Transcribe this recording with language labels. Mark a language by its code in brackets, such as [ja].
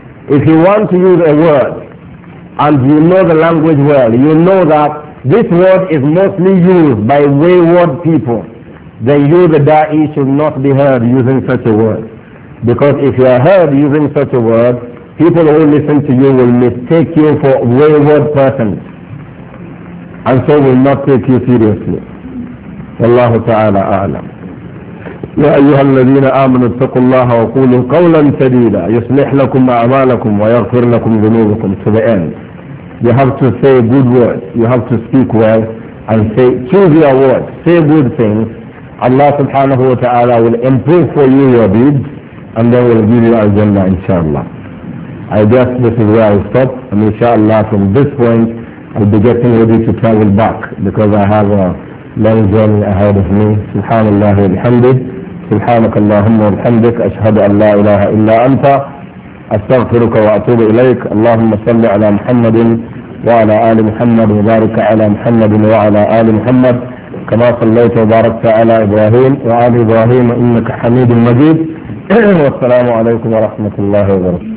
[en] If you want to use a word and you know the language well, you know that this word is mostly used by wayward people, then you, the da'i, should not be heard using such a word. Because if you are heard using such a word, people who listen to you will mistake you for wayward persons, and so will not take you seriously. [ar] Allah Ta'ala A'lam. يا أيها الذين آمنوا اتقوا الله وقولوا قولا سديدا يصلح لكم أعمالكم ويغفر لكم ذنوبكم. [en] To the end, you have to say good words, you have to speak well, and say, choose your words, say good things. Allah subhanahu wa ta'ala will improve for you your deeds, and then will give you al-jannah inshallah. I guess this is where I'll stop, and inshallah from this point I'll be getting ready to travel back, because I have a long journey ahead of me. [ar] Subhanallah walhamdulillah. سبحانك اللهم وبحمدك أشهد أن لا إله إلا أنت أستغفرك وأتوب إليك. اللهم صل على محمد وعلى آل محمد وبارك على محمد وعلى آل محمد كما صليت وباركت على إبراهيم وآل إبراهيم إنك حميد مجيد. والسلام عليكم ورحمة الله وبركاته.